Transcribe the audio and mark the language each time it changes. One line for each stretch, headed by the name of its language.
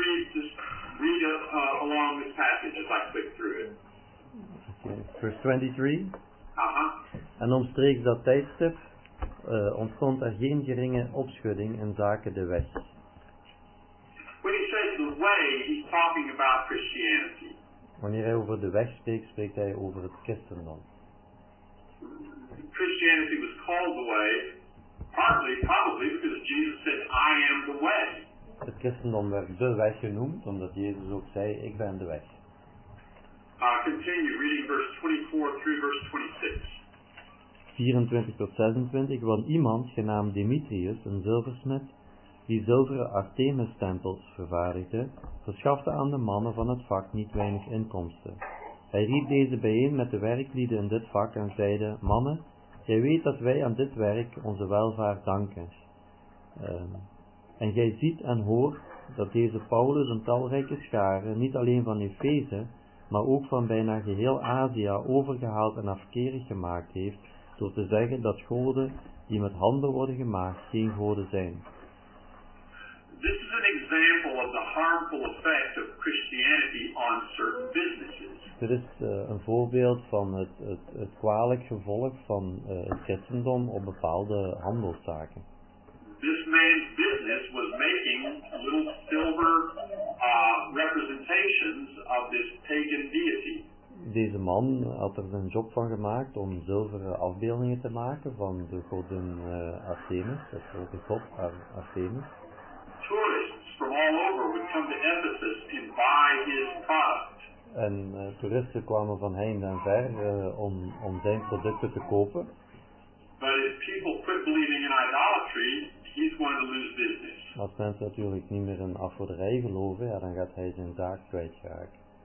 English: Just read along this passage as I click through it. Okay. Verse 23. Uh-huh.
Dutch: En omstreeks dat tijdstip ontstond er geen geringe opschudding in zaken de weg.
English: When he says the way, he's talking about Christianity.
Dutch: Wanneer hij over de weg spreekt, spreekt hij over het christendom.
English: Christianity was called the way. Probably because Jesus said, I am the way.
Dutch: Het christendom werd de weg genoemd, omdat Jezus ook zei, ik ben de weg.
English: Continue reading verse 24 through verse 26.
Dutch: 24 tot 26, want iemand genaamd Demetrius, een zilversmid, die zilveren Artemis-tempels vervaardigde, verschafte aan de mannen van het vak niet weinig inkomsten. Hij riep deze bijeen met de werklieden in dit vak en zeide, mannen, gij weet dat wij aan dit werk onze welvaart danken. En gij ziet en hoort dat deze Paulus een talrijke schare, niet alleen van Efeze, maar ook van bijna geheel Azië overgehaald en afkerig gemaakt heeft, door te zeggen dat goden die met handen worden gemaakt geen goden zijn.
English: This is an example of the harmful effect of Christianity on certain businesses.
Dutch: Dit is een voorbeeld van het kwalijk gevolg van het christendom op bepaalde handelszaken.
English: This man's business was making little silver representations of this pagan deity.
Dutch: Deze man had er zijn job van gemaakt om zilveren afbeeldingen te maken van de godin Artemis, de grote god Artemis.
English: Tourists from all over would come to Ephesus and buy his product.
Dutch: En toeristen kwamen van heinde en ver om zijn producten te kopen.
English: But if people quit believing in idolatry, he's going to lose business.
Dutch: Als mensen natuurlijk niet meer in afgoderij geloven, ja, dan gaat hij zijn zaak kwijtraken.